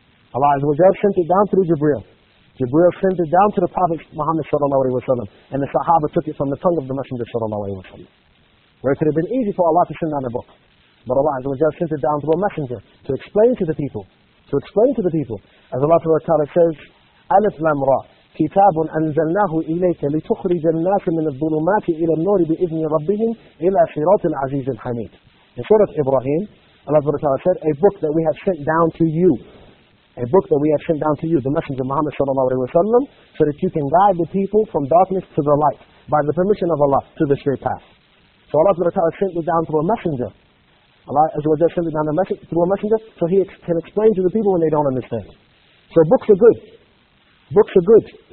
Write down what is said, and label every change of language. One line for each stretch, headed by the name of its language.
English: Allah sent it down through Jibreel. Jibreel sent it down to the Prophet Muhammad sallallahu alayhi wa sallam. And the Sahaba took it from the tongue of the Messenger sallallahu alayhi wa sallam. Where it could have been easy for Allah to send down a book. But Allah sent it down through a messenger to explain to the people. As Allah ta'ala says, Alif Lam Ra.
Arabic: كتاب أنزلناه إليك لتخرج الناس من الظلمات إلى النور بإذن ربهم إلى صراط العزيز الحميد.
English: In Surah Ibrahim, Allah said, a book that we have sent down to you. a book that we have sent down to you, the Messenger of Muhammad sallallahu alayhi wa sallam, so that you can guide the people from darkness to the light, by the permission of Allah, to the straight path. So Allah subhanahu wa ta'ala sent it down through a messenger. Allah azza wa jalla sent it down through a messenger, so he can explain to the people when they don't understand. So books are good. Books are good.